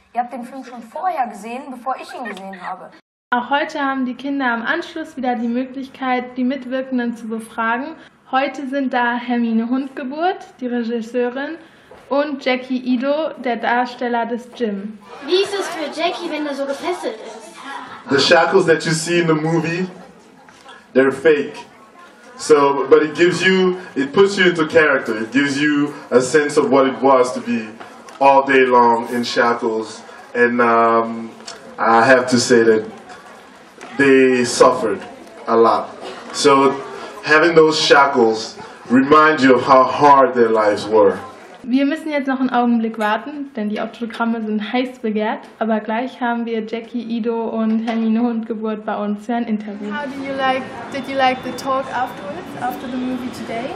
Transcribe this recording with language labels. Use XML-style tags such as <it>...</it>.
<de>Ihr habt den Film schon vorher gesehen, bevor ich ihn gesehen habe. Auch heute haben die Kinder am Anschluss wieder die Möglichkeit, die Mitwirkenden zu befragen. Heute sind da Hermine Hundgeburt, die Regisseurin, und Jackie Ido, der Darsteller des Jim. Wie ist es für Jackie, wenn er so gefesselt ist?</de> <en>The shackles that you see in the movie, they're fake. So, but it gives you, it puts you into character. It gives you a sense of what it was to be all day long in shackles. And I have to say that they suffered a lot. So having those shackles remind you of how hard their lives were.</en> <de>Wir müssen jetzt noch einen Augenblick warten, denn die Autogramme sind heiß begehrt. Aber gleich haben wir Jackie, Ido und Hermine Hundgeburt bei uns für ein Interview.</de> <en>How did you like the talk afterwards, after the movie today?</en>